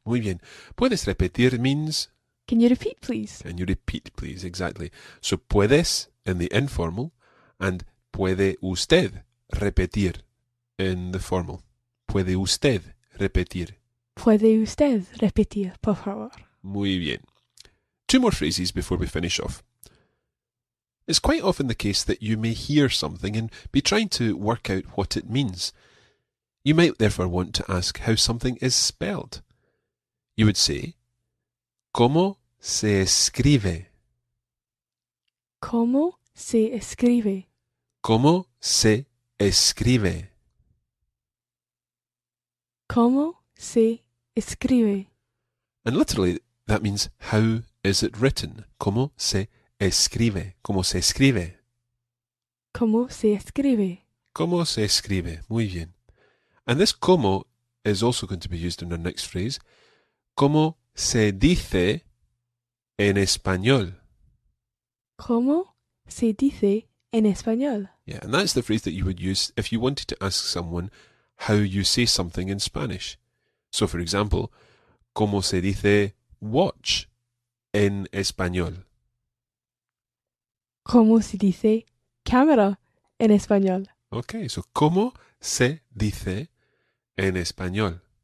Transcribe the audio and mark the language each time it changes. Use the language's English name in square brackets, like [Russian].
[Spanish] Muy bien. Puedes repetir means... [English] Can you repeat, please? Can you repeat, please? Exactly. So, puedes in the informal and [Spanish] puede usted repetir [English] in the formal. [Spanish] Puede usted repetir. Puede usted repetir, por favor. Muy bien. [English] Two more phrases before we finish off. It's quite often the case that you may hear something and be trying to work out what it means. You might therefore want to ask how something is spelled. You would say, [Spanish] ¿Cómo se escribe? ¿Cómo se escribe? ¿Cómo se escribe? ¿Cómo se escribe? [English] And literally, that means how is it written? [Spanish] ¿Cómo se escribe? ¿Cómo se escribe? ¿Cómo se escribe? ¿Cómo se escribe? Muy bien. [English] And this cómo is also going to be used in our next phrase. [Spanish] ¿Cómo se dice en español? ¿Cómo se dice en español? [English] Yeah, and that's the phrase that you would use if you wanted to ask someone how you say something in Spanish. So, for example, [Spanish] ¿cómo se dice watch en español? ¿Cómo se dice cámara en español? [English] Okay, so [Spanish] ¿cómo se dice en español?